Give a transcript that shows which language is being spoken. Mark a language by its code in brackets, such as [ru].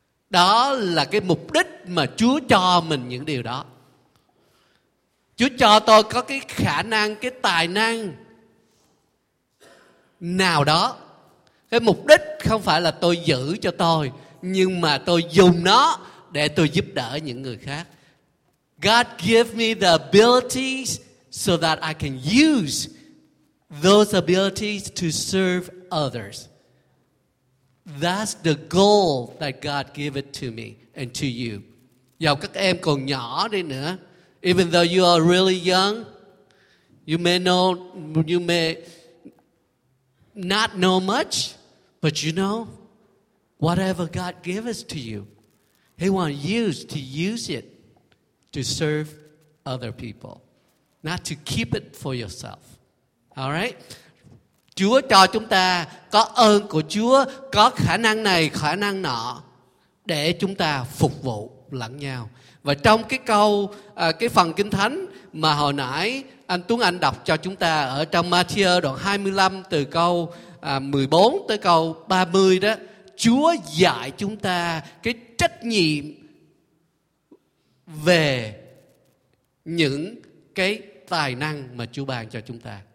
[vi] Đó là cái mục đích mà Chúa cho mình những điều đó. Chúa cho tôi có cái khả năng, cái tài năng nào đó. Cái mục đích không phải là tôi giữ cho tôi, nhưng mà tôi dùng nó để tôi giúp đỡ những người khác. [en] God give me the abilities so that I can use those abilities to serve others. That's the goal that God gave it to me and to you. [vi] Dù các em còn nhỏ đi nữa, [en] even though you are really young, you may not know much, but you know, whatever God gave us to you, He wants you to use it to serve other people, not to keep it for yourself. All right? [vi] Chúa cho chúng ta có ơn của Chúa, có khả năng này, khả năng nọ. để chúng ta phục vụ lẫn nhau. Và trong cái câu, cái phần Kinh Thánh mà hồi nãy anh Tuấn Anh đọc cho chúng ta ở trong Matthew đoạn 25 từ câu 14 tới câu 30 đó, Chúa dạy chúng ta cái trách nhiệm về những cái tài năng mà Chúa ban cho chúng ta.